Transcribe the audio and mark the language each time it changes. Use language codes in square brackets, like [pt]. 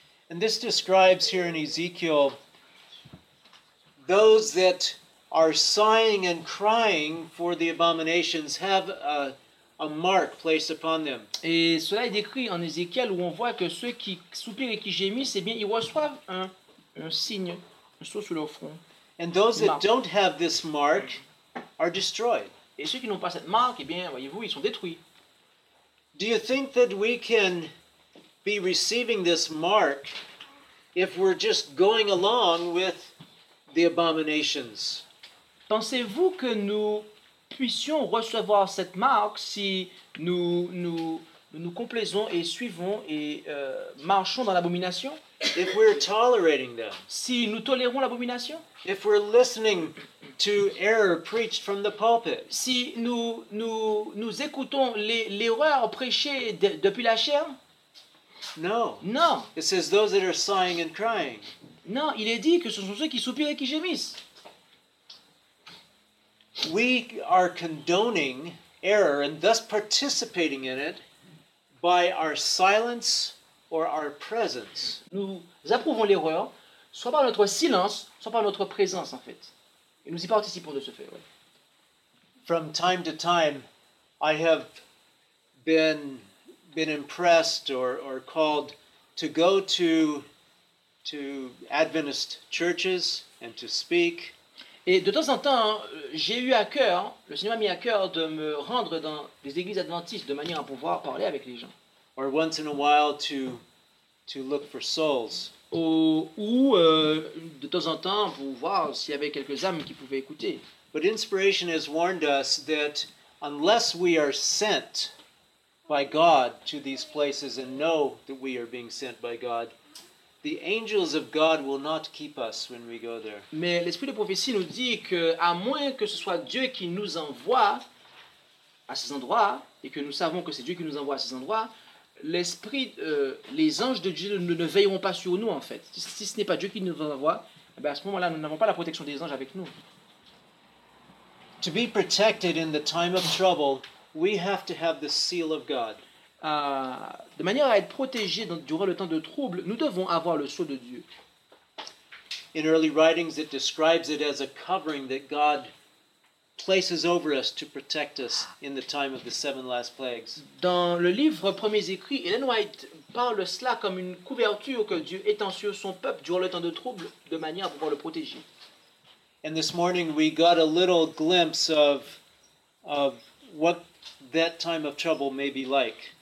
[en] And this describes here in Ezekiel those that are sighing and crying for the abominations have a mark placed upon them. [fr] Et cela est décrit en Ézéchiel où on voit que ceux qui soupirent et qui gémissent, eh bien, ils reçoivent un signe, un sceau sur leur front. [en] And those that don't have this mark are destroyed. [fr] Et ceux qui n'ont pas cette marque, eh bien, voyez-vous, ils sont détruits. [en] Do you think that we can be receiving this mark if we're just going along with the abominations? [fr] Pensez-vous que nous puissions recevoir cette marque si nous complaisons et suivons et marchons dans l'abomination? [en] If we're tolerating them. [fr] Si nous tolérons l'abomination? [en] If we're listening to error preached from the pulpit. [fr] Si nous écoutons l'erreur prêchée depuis la chaire? [en] No. [fr] Non. [en] It says those that are sighing and crying. [fr] Non, il est dit que ce sont ceux qui soupirent et qui gémissent. [en] We are condoning error and thus participating in it by our silence or our presence. [fr] Nous approuvons l'erreur soit par notre silence, soit par notre présence, en fait. Et nous y participons de ce fait, ouais. [en] From time to time, I have been impressed or called to go to Adventist churches and to speak. [fr] Et de temps en temps, j'ai eu à cœur, le Seigneur m'a mis à cœur de me rendre dans des églises adventistes de manière à pouvoir parler avec les gens. [en] Or once in a while to look for souls. [fr] Ou de temps en temps, pour voir s'il y avait quelques âmes qui pouvaient écouter. [en] But inspiration has warned us that unless we are sent by God to these places and know that we are being sent by God, The angels of God will not keep us when we go there. [fr] Mais l'esprit de prophétie nous dit que à moins que ce soit Dieu qui nous envoie à ces endroits et que nous savons que c'est Dieu qui nous envoie à ces endroits, l'esprit les anges de Dieu ne veilleront pas sur nous en fait. Si ce n'est pas Dieu qui nous envoie, eh bien, à ce moment-là, nous n'avons pas la protection des anges avec nous. [en] To be protected in the time of trouble, we have to have the seal of God. [fr] De manière à être protégé durant le temps de trouble, nous devons avoir le sceau de Dieu. [en] In early writings, it describes it as a covering that God places over us to protect us in the time of the seven last plagues. [fr] Dans le livre Premiers Écrits, Ellen White parle cela comme une couverture que Dieu étend sur son peuple durant le temps de trouble, de manière à pouvoir le protéger. [en] And this morning, we got a little glimpse of what that time of trouble may be like.